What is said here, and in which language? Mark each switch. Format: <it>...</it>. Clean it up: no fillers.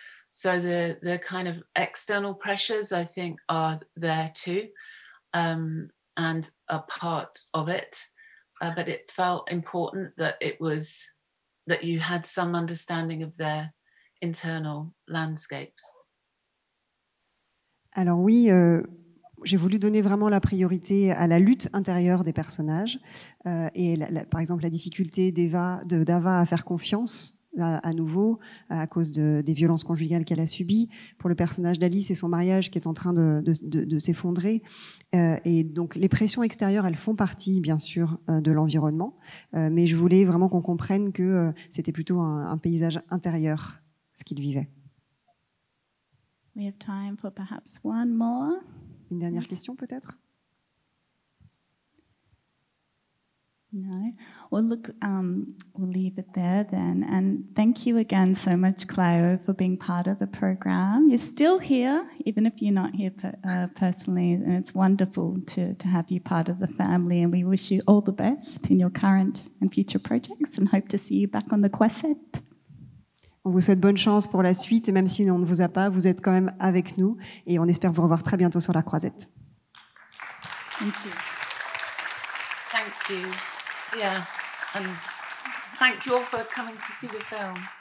<en>So the kind of external pressures, I think, are there too, and a part of it. But it felt important that it was, that you had some understanding of their internal landscapes.</en> <fr>Alors oui, j'ai voulu donner vraiment la priorité à la lutte intérieure des personnages, et par exemple la difficulté d'Ava à faire confiance à nouveau à cause des violences conjugales qu'elle a subies. Pour le personnage d'Ali, c'est son mariage qui est en train de s'effondrer. Et donc les pressions extérieures, elles font partie bien sûr de l'environnement, mais je voulais vraiment qu'on comprenne que c'était plutôt un paysage intérieur ce qu'il vivait.</fr> <en>We have time for perhaps one more.</en> <fr>Une dernière question peut-être?</fr> <en>No. Well, look, we'll leave it there then. And thank you again so much, Cléo, for being part of the program. You're still here, even if you're not here personally. And it's wonderful to have you part of the family. And we wish you all the best in your current and future projects and hope to see you back on the Quesset.</en> <fr>On vous souhaite bonne chance pour la suite. Et même si on ne vous a pas, vous êtes quand même avec nous. Et on espère vous revoir très bientôt sur la Croisette.</fr> <en>Thank you. Thank you. Yeah, and thank you all for coming to see the film.</en>